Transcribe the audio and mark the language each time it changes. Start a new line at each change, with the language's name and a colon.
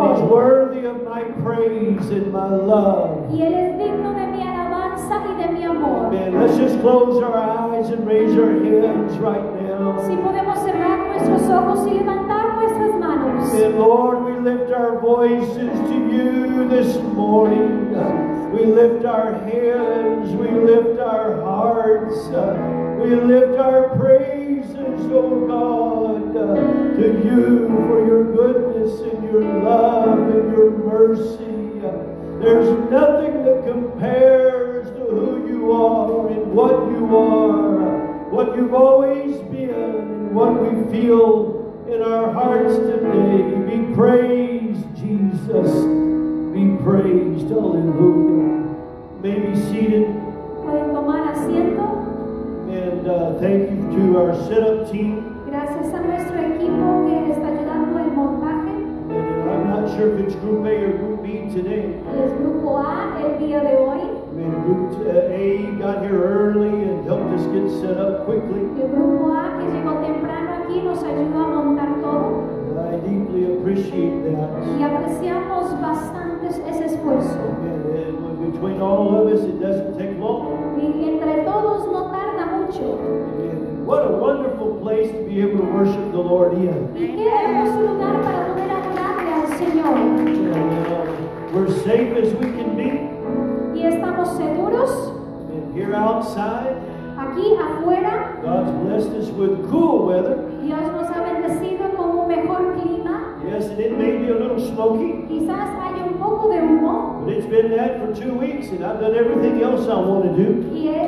English: And he's worthy of my praise and my love.
Spanish: Y él es digno de mi alabanza y de mi amor.
English: Amen. Let's just close our eyes and raise our hands right now.
Spanish: Si podemos cerrar nuestros ojos y levantar nuestras manos.
English: And Lord, we lift our voices to you this morning. We lift our hands, we lift our hearts, we lift our praises, O God, to you for your goodness and your love and your mercy. There's nothing that compares to who you are and what you are, what you've always been, what we feel in our hearts today. Be praised, Jesus. Be praised. Hallelujah. May be seated.
Spanish: Pueden tomar asiento.
English: And thank you to our setup team.
Spanish: Gracias a nuestro equipo que está ayudando el montaje.
English: And I'm not sure if it's Group A or Group B today.
Spanish: Es Grupo A el día de hoy.
English: And Group A got here early and helped us get set up quickly.
Spanish: El Grupo A que llegó temprano aquí nos ayudó a montar todo.
English: And I deeply appreciate that.
Spanish: Y apreciamos bastante ese esfuerzo.
English: Between all of us, it doesn't take long.
Spanish: Y entre todos no tarda mucho.
English: What a wonderful place to be able to worship the Lord in.
Spanish: Y qué hermoso lugar para poder adorarle al Señor.
English: We're safe as we can be.
Spanish: Y estamos seguros.
English: And here outside.
Spanish: Aquí afuera.
English: God's blessed us with cool weather.
Spanish: Dios nos ha bendecido con un mejor clima.
English: Yes, and it may be a little smoky.
Spanish: Quizás hay un poco de humo.
English: But it's been that for 2 weeks, and I've done everything else I want to do.